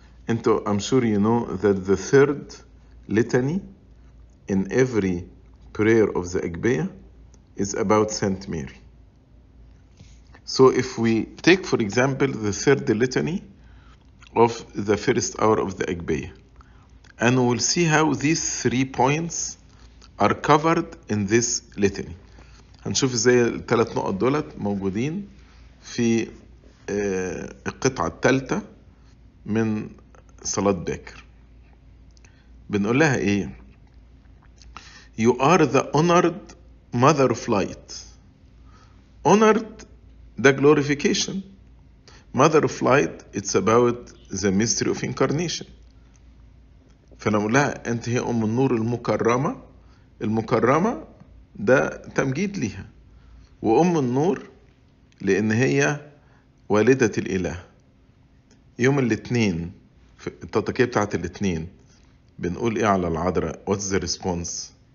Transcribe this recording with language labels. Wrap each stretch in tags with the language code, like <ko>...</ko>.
<ar>انتو</ar> <en>I'm sure you know that the third litany in every prayer of the Agbaya is about Saint Mary. So if we take for example the third litany of the first hour of the Agbaya, and we'll see how these three points are covered in this litany.</en> <ar>هنشوف ازاي الثلاث نقط دولت موجودين في القطعة الثالثة من صلاة باكر. بنقول لها ايه؟</ar> <en>You are the honored mother of light. Honored, the glorification. Mother of light, it's about the mystery of incarnation.</en> <ar>فنقول لها انت هي ام النور المكرمة. المكرمة ده تمجيد لها. وام النور لان هي والدة الاله. يوم الاثنين في التطكية بتاعت الاثنين بنقول ايه على العذراء؟</ar> <en>What's the response?</en>